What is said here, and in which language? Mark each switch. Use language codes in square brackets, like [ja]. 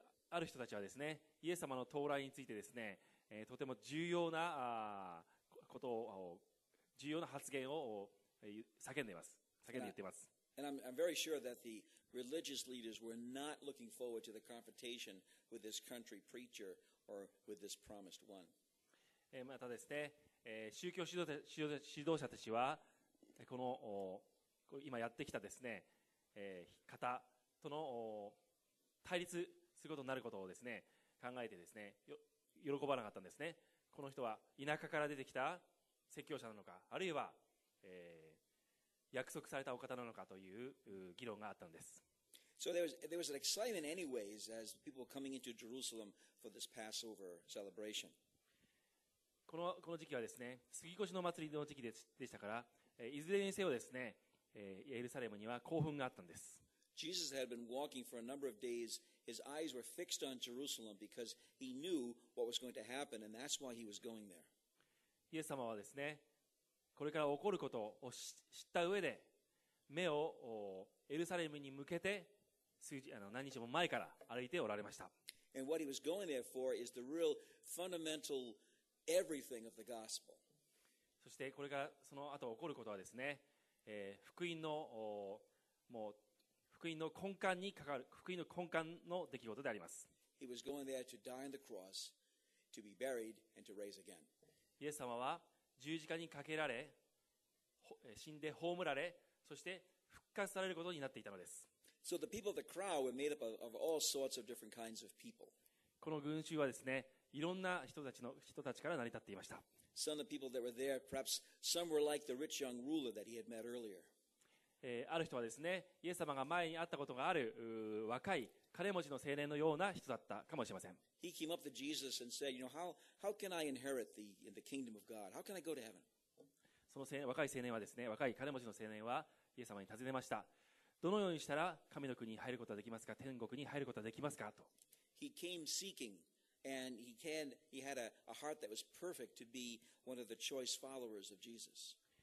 [ja] ある人たちはですね、イエス様の到来についてですね、とても重要なことを、重要な発言を叫んでいます。 [en] I'm very sure that the religious leaders were not looking forward to the confrontation with this country preacher or with this promised one. [ja] またですね、宗教指導者たちはこの今やってきたですね、方との対立することになることをですね、考えてですね、喜ばなかったんですね。この人は田舎から出てきた説教者なのか、あるいは、約束されたお方なのかという議論があったんです。 [en] So there was an excitement anyways as people coming into Jerusalem for this Passover celebration. [ja] この時期はですね、杉越の祭りの時期でしたから、いずれにせよですね、エルサレムには興奮があったんです。 [en] Jesus had been walking for a number of days. His eyes were fixed on Jerusalem because he knew what was going to happen, and that's why he was going there. [ja] イエス様はですね、これから起こることを知った上で、目をエルサレムに向けて何日も前から歩いておられました。 [en] And what he was going there for is the real fundamental everything of the gospel. [ja] そしてこれからその後起こることはですね、福音のもう福音の根幹にかかる福音の根幹の出来事であります。 [en] He was going there to die on the cross, to be buried, and to raise again. [ja] イエス様は十字架にかけられ、死んで葬られ、そして復活されることになっていたのです。 [en] So the people of the crowd were made up of all sorts of different kinds of people. [ja] この群衆はですね、いろんな人たちから成り立っていました。 [en] Some of the people that were there, perhaps some were like the rich young ruler that he had met earlier. [ja] ある人はですね、イエス様が前に会ったことがある若い金持ちの青年のような人だったかもしれません。 [en] He came up to Jesus and said, you know, how can I inherit the kingdom of God? How can I go to heaven? [ja] その若い青年はですね、若い金持ちの青年はイエス様に尋ねました。どのようにしたら神の国に入ることができますか、天国に入ることができますかと。 [en] He came seeking and he had a heart that was perfect to be one of the choice followers of Jesus.